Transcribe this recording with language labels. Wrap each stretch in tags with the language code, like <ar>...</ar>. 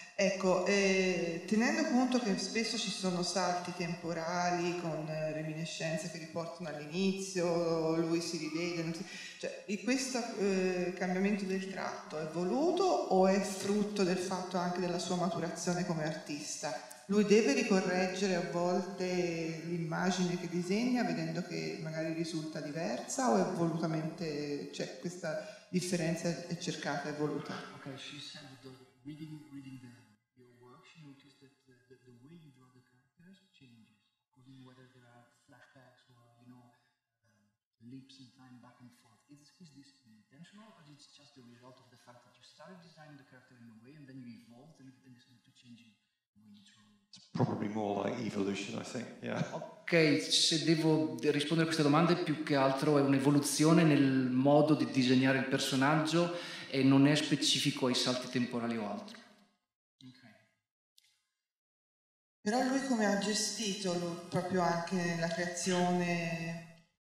<it>Ecco, tenendo conto che spesso ci sono salti temporali con reminiscenze che riportano all'inizio, lui si rivede, cambiamento del tratto è voluto o è frutto del fatto anche della sua maturazione come artista? Lui deve ricorreggere a volte l'immagine che disegna vedendo che magari risulta diversa o è volutamente, cioè questa differenza è cercata, è voluta?</it> <en>Ok, she said that reading your work, she noticed that the way you draw the characters changes, including whether there are flashbacks or, you know, leaps in time back and forth. Is this intentional or is it just the result of the fact that you started designing the character in a way and then you evolved and then you started to change it? It's probably more like evolution, I think. Yeah.</en> <it>Ok, se devo rispondere a queste domande, più che altro è un'evoluzione nel modo di disegnare il personaggio e non è specifico ai salti temporali o altro.</it> <en>Okay.</en> <it>Però lui come ha gestito proprio anche la creazione?</it>